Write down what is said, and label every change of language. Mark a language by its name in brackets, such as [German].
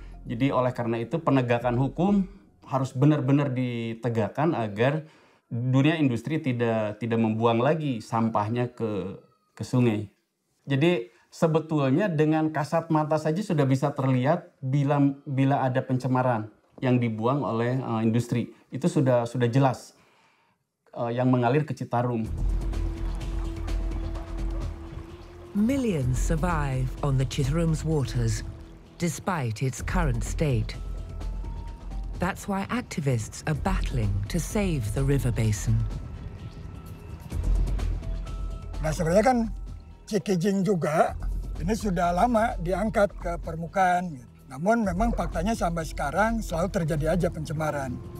[Indonesian] Jadi oleh karena itu penegakan hukum harus benar-benar ditegakkan agar dunia industri tidak membuang lagi sampahnya ke sungai. Jadi sebetulnya dengan kasat mata saja sudah bisa terlihat bila ada pencemaran yang dibuang oleh industri. Itu sudah jelas yang mengalir ke Citarum. [English] Millions survive on the Citarum's waters despite its current state. That's why activists are battling to save the river basin. [Indonesian] Nah, sebenarnya kan Cikijing juga ini sudah lama diangkat ke permukaan. Namun memang faktanya sampai sekarang selalu terjadi aja pencemaran.